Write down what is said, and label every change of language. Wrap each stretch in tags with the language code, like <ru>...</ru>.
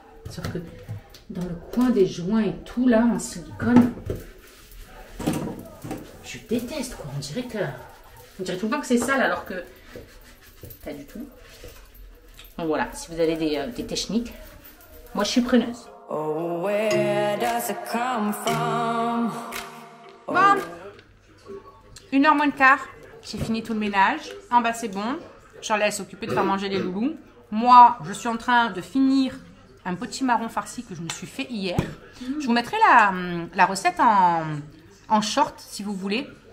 <fr>Sauf que dans le coin des joints et tout là, en silicone, je déteste, quoi. On dirait tout le temps que c'est sale alors que pas du tout. Donc voilà, si vous avez des techniques, moi je suis preneuse.</fr> <en>Oh, where does it come from? Oh.</en> <fr>Bon, 1h15, j'ai fini tout le ménage. En bas, c'est bon. Je leur laisse s'occuper de faire manger les loulous. Moi, je suis en train de finir un petit marron farci que je me suis fait hier. Je vous mettrai la recette en short, si vous voulez.</fr>